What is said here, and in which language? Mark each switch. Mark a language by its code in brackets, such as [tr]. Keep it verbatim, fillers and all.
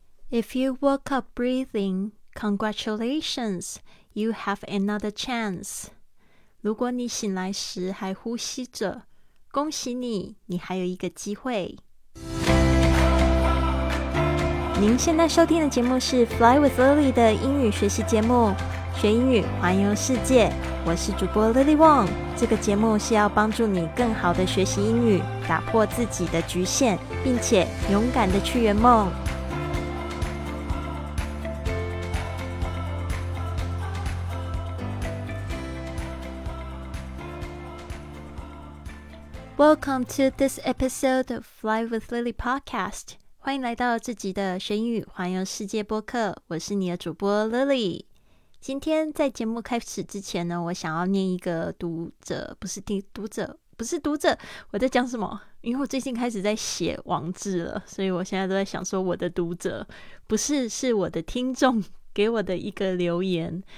[en] If you woke up breathing, congratulations, you have another chance. [zh] 如果你醒来时还呼吸着，恭喜你，你还有一个机会。您现在收听的节目是 Fly with Lily 的英语学习节目，学英语环游世界。我是主播 Lily Wong。这个节目是要帮助你更好的学习英语，打破自己的局限，并且勇敢的去圆梦。 [en] Welcome to this episode of Fly with Lily podcast. [zh] 欢迎来到这集的学英语环游世界播客，我是你的主播 Lily。今天在节目开始之前呢，我想要念一个读者，不是听读者，不是读者，我在讲什么？因为我最近开始在写网志了，所以我现在都在想说我的读者，不是，是我的听众给我的一个留言。